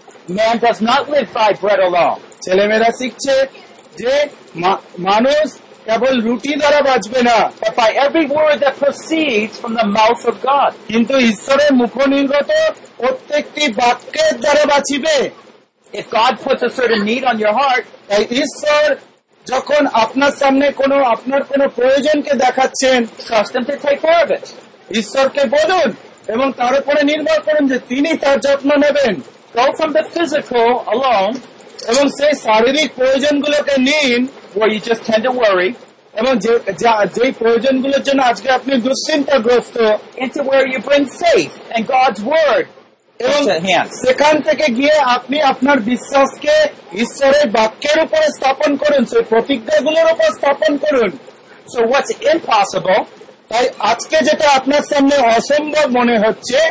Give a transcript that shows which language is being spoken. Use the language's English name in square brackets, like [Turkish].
[English] Man does not live by bread alone. [Bangla] ছেলে মেয়েরা শিখছে যে মানুষ কেবল রুটি দ্বারা বাঁচবে না [English] but by every word that proceeds from the mouth of God. [Bangla] কিন্তু ঈশ্বরের মুখনির্গত প্রত্যেকটি বাক্যের দ্বারা বাঁচিবে [English] If God puts a certain need on your heart, [Bangla] ঈশ্বর যখন আপনার সামনে কোনো আপনার কোনো প্রয়োজনকে দেখাচ্ছেন [English] trust him to take care of it. [Bangla] ঈশ্বরকে বলুন এবং তার উপরে নির্ভর করুন যে তিনি তার যত্ন নেবেন [English] Go from the physical alone. [Bangla] এবং সেই শারীরিক প্রয়োজন গুলোকে নিন [English] you just tend to worry. [Bangla] এবং যেই প্রয়োজন গুলোর জন্য আজকে আপনি দুশ্চিন্তাগ্রস্ত [English] into where you bring faith and God's word. [Bangla] সেখান থেকে গিয়ে আপনি আপনার বিশ্বাসকে ঈশ্বরের বাক্যের উপরে স্থাপন করুন সেই প্রতিজ্ঞা গুলোর উপর স্থাপন করুন [English] So what's impossible? [Bangla] তাই আজকে যেটা আপনার সামনে অসম্ভব মনে হচ্ছে